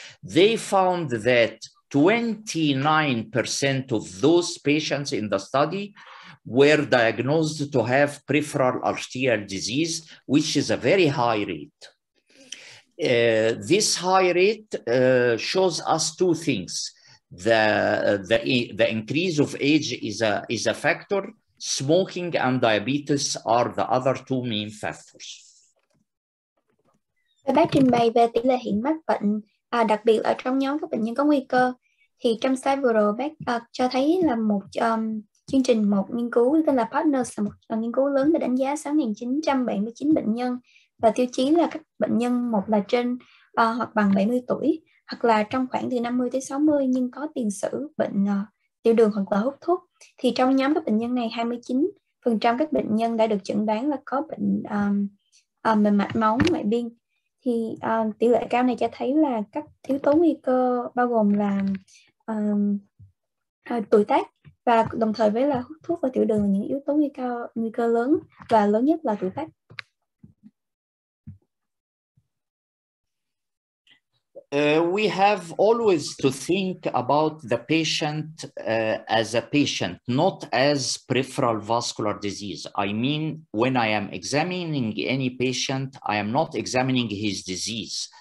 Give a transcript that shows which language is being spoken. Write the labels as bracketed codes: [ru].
[en] They found that 29% of those patients in the study were diagnosed to have peripheral arterial disease, which is a very high rate. This high rate shows us two things. The increase of age is a factor. Smoking and diabetes are the other two main factors. [vi] Bác trình bày về tỷ lệ hiện mắc bệnh, đặc biệt ở trong nhóm các bệnh nhân có nguy cơ, thì trong slide vừa rồi bác cho thấy là một chương trình, một nghiên cứu tên là Partners, là một nghiên cứu lớn đã đánh giá 6.979 bệnh nhân và tiêu chí là các bệnh nhân một là trên hoặc bằng 70 tuổi, hoặc là trong khoảng từ 50 tới 60 nhưng có tiền sử bệnh tiểu đường hoặc là hút thuốc. Thì trong nhóm các bệnh nhân này, 29% các bệnh nhân đã được chẩn đoán là có bệnh mạch máu ngoại biên. Thì tỷ lệ cao này cho thấy là các yếu tố nguy cơ bao gồm là tuổi tác và đồng thời với là hút thuốc và tiểu đường là những yếu tố nguy cơ lớn, và lớn nhất là tuổi tác. [en] We have always to think about the patient as a patient, not as peripheral vascular disease. I mean, when I am examining any patient, I am not examining his disease.